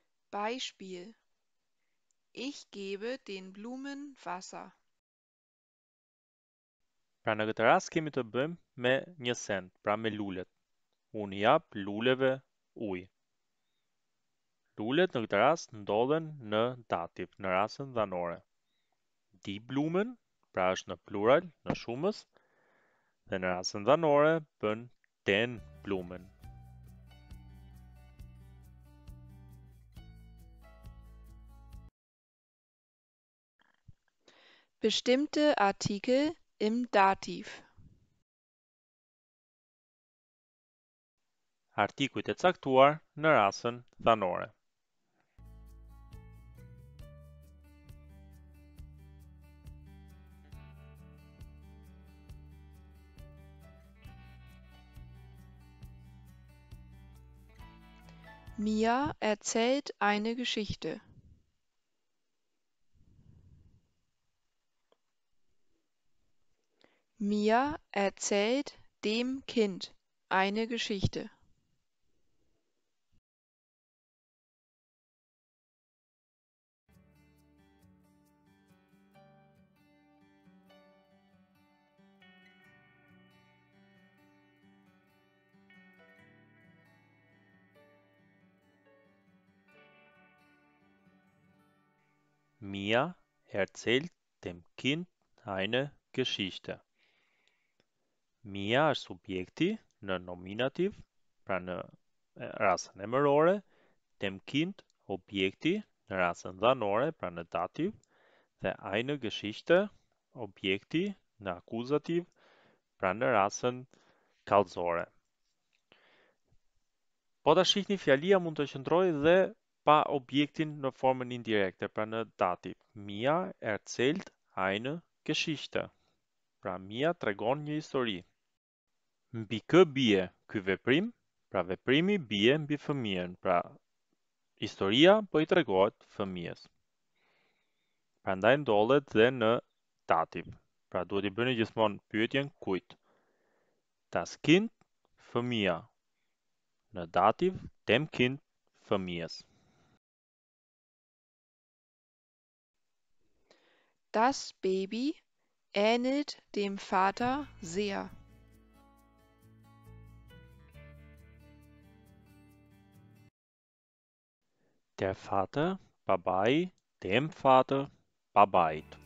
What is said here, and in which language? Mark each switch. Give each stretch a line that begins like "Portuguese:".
German: Beispiel: Ich gebe den Blumen Wasser.
Albanian: Pra në këtë rast kemi të bëjmë me një send, pra me lulet. Unë i jap luleve ujë. Lulet në këtë rast ndodhen në dativ, në rastin dhanore.
German: Die Blumen,
Albanian: pra është në plural, në shumës, dhe në rastin dhanore bën
German: den Blumen. Bestimmte Artikel im Dativ.
Albanian: Artikujt e caktuar në rasën dhanore.
German: Mia erzählt eine Geschichte. Mia erzählt dem Kind eine Geschichte. Mia erzählt dem Kind eine Geschichte.
Albanian: Mia është subjekti në nominativ, pra në rasën emërore,
German: dem kind
Albanian: objekti në rasën dhanore, pra në dativ, dhe
German: eine Geschichte
Albanian: objekti në akuzativ, pra në rasën kallëzore. Po ta shihni, fjalia mund të qëndrojë dhe pa objektin në formën indirekte, pra në dativ.
German: Mia erzählt eine Geschichte.
Albanian: Pra Mia tregon një histori. Mbi kë bie ky veprim? Pra veprimi bie mbi fëmijën, pra historia po i tregohet fëmijës. Prandaj ndodhet dhe në dativ. Pra duhet i bëni gjithmonë pyetjen kujt?
German: Das Kind,
Albanian: fëmia. Në dativ
German: dem Kind,
Albanian: fëmijës.
German: Das Baby ähnelt dem Vater sehr. Der Vater war bei dem Vater Arbeit.